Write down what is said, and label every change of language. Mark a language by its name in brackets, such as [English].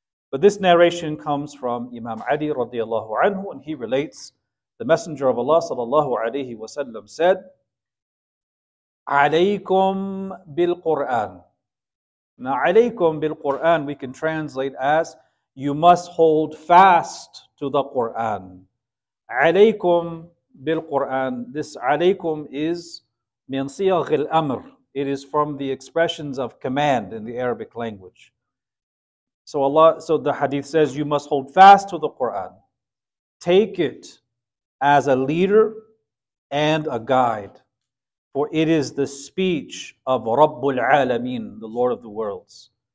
[English] But this narration comes from Imam Ali radiallahu anhu, and he relates, the Messenger of Allah sallallahu alayhi wa sallam said, [Arabic] عليكم بالقرآن. [English] Now, [Arabic] عليكم بالقرآن, [English] we can translate as, you must hold fast to the Qur'an. [Arabic] عليكم بالقرآن. [English] This [Arabic] عليكم [English] is [Arabic] من صيغ الأمر. [English] It is from the expressions of command in the Arabic language. So the hadith says, you must hold fast to the Qur'an. Take it as a leader and a guide. For it is the speech of Rabbul Alameen, the Lord of the worlds.